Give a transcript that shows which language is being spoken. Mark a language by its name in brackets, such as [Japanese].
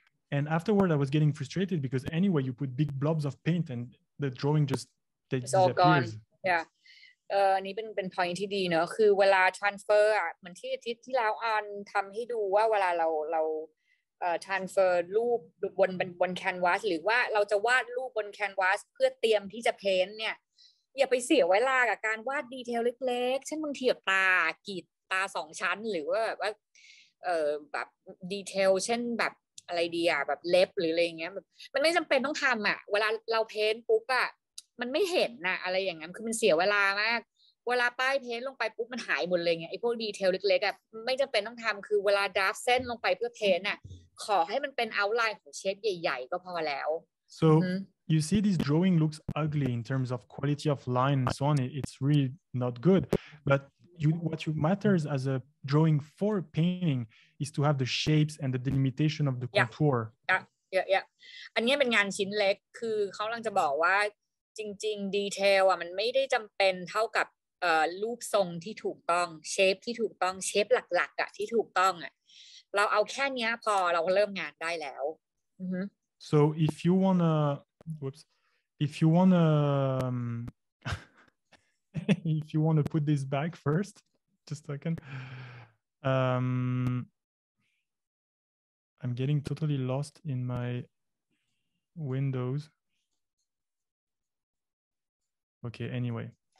[English] And afterward, I was getting frustrated because anyway, you put big blobs of paint and the drawing just disappears. It's all gone. Yeah. [Thai] นี่เป็น point ที่ดีเนอะคือเวลา transfer อ่ะเหมือนที่อาทิตย์ที่แล้วออนทำให้ดูว่าเวลาเรา transfer รูปบน canvas หรือว่าเราจะวาดรูปบน canvas เพื่อเตรียมที่จะ paint เนี่ยอย่าไปเสียเวลากับการวาดดีเทลเล็กๆเช่นบางทีตากรีดตา2ชั้นหรือว่าแบบ แบบดีเทลเช่นแบบอะไรดีอ่ะแบบเล็บหรืออะไรอย่างเงี้ยมันไม่จําเป็นต้องทําอ่ะเวลาเราเพ้นปุ๊บอ่ะมันไม่เห็นน่ะอะไรอย่างเงี้ยคือมันเสียเวลามากเวลาป้ายเพ้นลงไปปุ๊บมันหายหมดเลยไงไอ้พวกดีเทลเล็กๆอ่ะไม่จําเป็นต้องทําคือเวลาดราฟเส้นลงไปเพื่อเพ้นน่ะขอให้มันเป็นเอาท์ไลน์ของเชฟใหญ่ๆก็พอแล้ว [English] so You see, this drawing looks ugly in terms of quality of line and so on. It's really not good. But what matters as a drawing for painting is to have the shapes and the delimitation of the contour. Yeah. [Thai] อันนี้เป็นงานชิ้นเล็กคือเขาลังจะบอกว่าจริงๆดีเทลอ่ะมันไม่ได้จำเป็นเท่ากับรูปทรงที่ถูกต้องเชฟที่ถูกต้องเชฟหลักๆอ่ะที่ถูกต้องอ่ะเราเอาแค่นี้พอเราเริ่มงานได้แล้ว [English] So if you wanna Whoops. If you want to if you want to put this back first, just a second. I'm getting totally lost in my Windows. Okay, anyway.